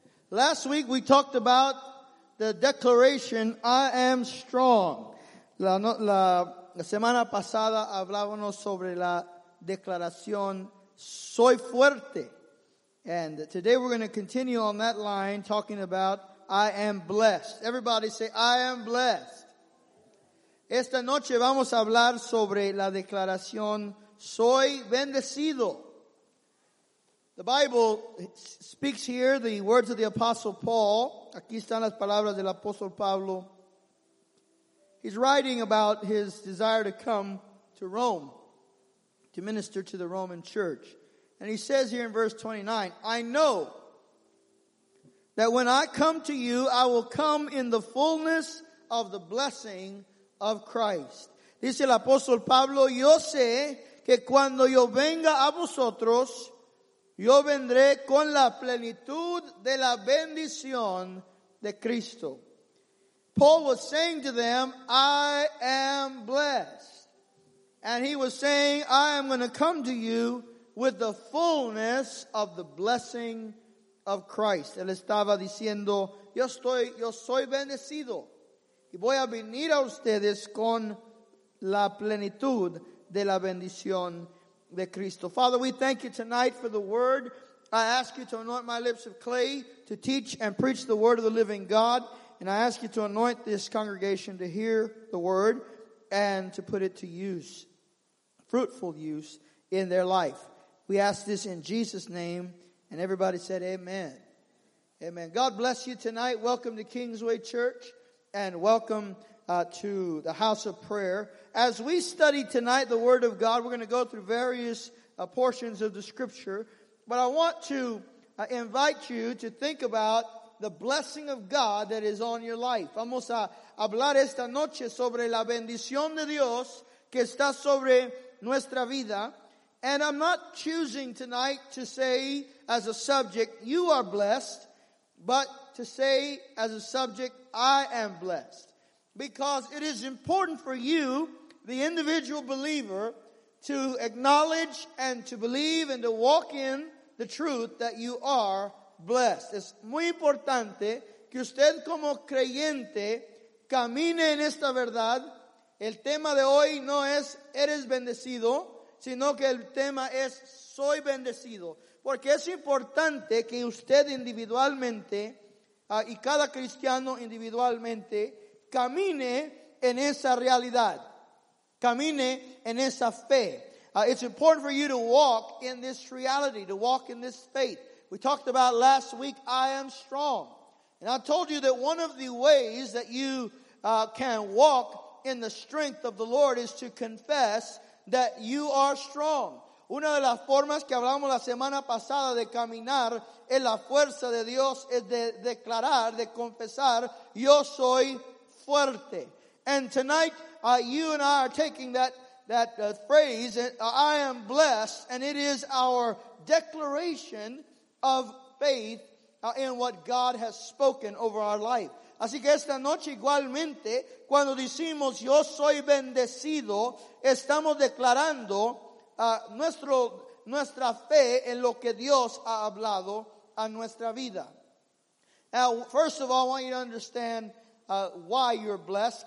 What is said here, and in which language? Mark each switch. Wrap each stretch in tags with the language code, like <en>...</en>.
<en>Last week we talked about the declaration, I am strong.</en> <es>La semana pasada hablábamos sobre la declaración, soy fuerte.</es> <en>And today we're going to continue on that line talking about I am blessed. Everybody say, I am blessed.</en> <es>Esta noche vamos a hablar sobre la declaración, soy bendecido.</es> <en>The Bible speaks here the words of the Apostle Paul.</en> <es>Aquí están las palabras del Apóstol Pablo.</es> <en>He's writing about his desire to come to Rome, to minister to the Roman church. And he says here in verse 29, I know that when I come to you, I will come in the fullness of the blessing of Christ.</en> <es>Dice el apóstol Pablo, yo sé que cuando yo venga a vosotros, yo vendré con la plenitud de la bendición de Cristo.</es> <en>Paul was saying to them, I am blessed. And he was saying, I am going to come to you with the fullness of the blessing of Christ.</en> <es>Él estaba diciendo, yo soy bendecido. Y voy a venir a ustedes con la plenitud de la bendición de Cristo.</es> <en>Father, we thank you tonight for the word. I ask you to anoint my lips of clay to teach and preach the word of the living God. And I ask you to anoint this congregation to hear the word and to put it to use, fruitful use in their life. We ask this in Jesus' name, and everybody said amen. Amen. God bless you tonight. Welcome to Kingsway Church, and welcome to the house of prayer. As we study tonight the Word of God, we're going to go through various portions of the Scripture. But I want to invite you to think about the blessing of God that is on your life.</en> <es>Vamos a hablar esta noche sobre la bendición de Dios que está sobre nuestra vida.</es> <en>And I'm not choosing tonight to say as a subject, you are blessed, but to say as a subject, I am blessed. Because it is important for you, the individual believer, to acknowledge and to believe and to walk in the truth that you are blessed.</en> <es>Es muy importante que usted como creyente camine en esta verdad. El tema de hoy no es, eres bendecido, sino que el tema es, soy bendecido. Porque es importante que usted individualmente, y cada cristiano individualmente, camine en esa realidad. Camine en esa fe.</es> <en>It's important for you to walk in this reality, to walk in this faith. We talked about last week, I am strong. And I told you that one of the ways that you can walk in the strength of the Lord is to confess that you are strong.</en> <es>Una de las formas que hablamos la semana pasada de caminar en la fuerza de Dios es de declarar, de confesar, yo soy fuerte.</es> <en>And tonight, you and I are taking that phrase, I am blessed, and it is our declaration of faith in what God has spoken over our life.</en> <es>Así que esta noche igualmente, cuando decimos yo soy bendecido, estamos declarando nuestra fe en lo que Dios ha hablado a nuestra vida.</es> <en>Now, first of all, I want you to understand why you're blessed.</en>